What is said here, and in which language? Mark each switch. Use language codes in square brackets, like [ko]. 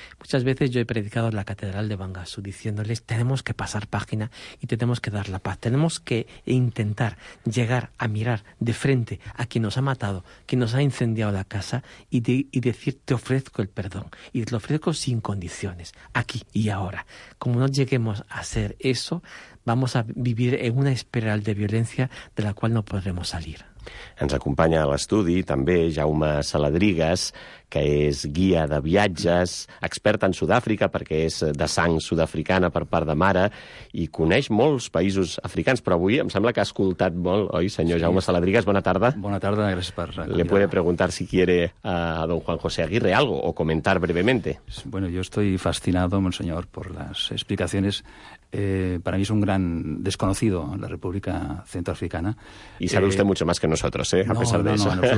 [es] Muchas veces yo he predicado en la Catedral de Bangassou diciéndoles: tenemos que pasar página y tenemos que dar la paz, tenemos que intentar llegar a mirar de frente a quien nos ha matado, quien nos ha incendiado la casa, y decir: te ofrezco el perdón, y te lo ofrezco sin condiciones, aquí y ahora. Como no lleguemos a ser eso, vamos a vivir en una espiral de violencia de la cual no podremos salir. [ca] Ens acompanya a l'estudi també Jaume Saladrigues, que és guia de viatges, expert en Sud-àfrica perquè és de sang sud-africana per part de mare i coneix molts països africans, però avui em sembla que ha escoltat molt, oi, senyor Jaume Saladrigues? Bona tarda. Bona tarda, gràcies per... [es] Le puede preguntar si quiere a don Juan José Aguirre algo o comentar brevemente. Bueno, yo estoy fascinado, monseñor, por las explicaciones. Para mí es un gran desconocido la República Centroafricana. Y sabe usted mucho más que nosotros, ¿eh? A pesar de eso.